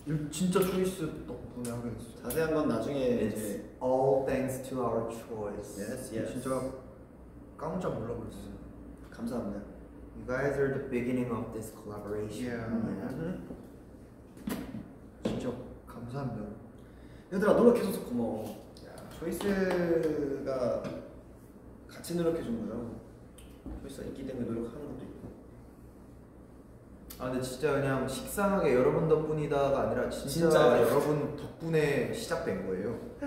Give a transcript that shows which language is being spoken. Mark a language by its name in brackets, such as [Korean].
[Korean] 진짜 초이스 덕분에 하게 됐어. 자세한 건 나중에 [English] It's [Korean] 이제 [English] all thanks to our choice. Yes, yes. [Korean] 진짜 깜짝 놀라버렸어. 감사합니다. [English] You guys are the beginning of this collaboration. Yeah. [Korean] Mm-hmm. 진짜 감사합니다. 얘들아 노력해줘서 고마워. [English] Yeah. [Korean] 초이스가 같이 노력해준 거죠. 초이스가 있기 때문에 노력하는 것도 있고. 아 근데 진짜 그냥 식상하게 여러분 덕분이다가 아니라 진짜 여러분 덕분에 시작된 거예요.